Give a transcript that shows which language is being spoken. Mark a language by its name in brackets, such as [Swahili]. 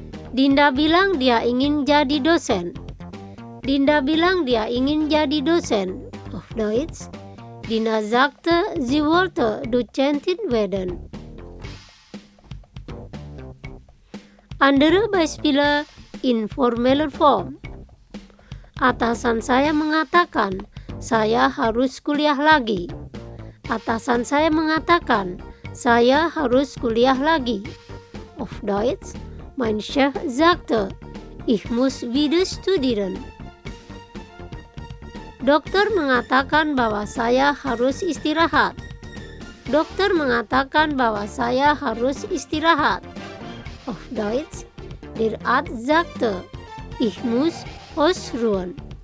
[Indonesian] Dinda bilang dia ingin jadi dosen. Dinda bilang dia ingin jadi dosen. [German] Auf Deutsch, Dinda sagte, sie wollte Dozentin werden. Andere Beispiele in formeller Form. [Indonesian] Atasan saya mengatakan, saya harus kuliah lagi. Atasan saya mengatakan, saya harus kuliah lagi. [German] Auf Deutsch, mein Chef sagte, ich muss wieder studieren. [Indonesian] Dokter mengatakan bahwa saya harus istirahat. Dokter mengatakan bahwa saya harus istirahat. [German] Auf Deutsch, der Arzt sagte, ich muss ausruhen.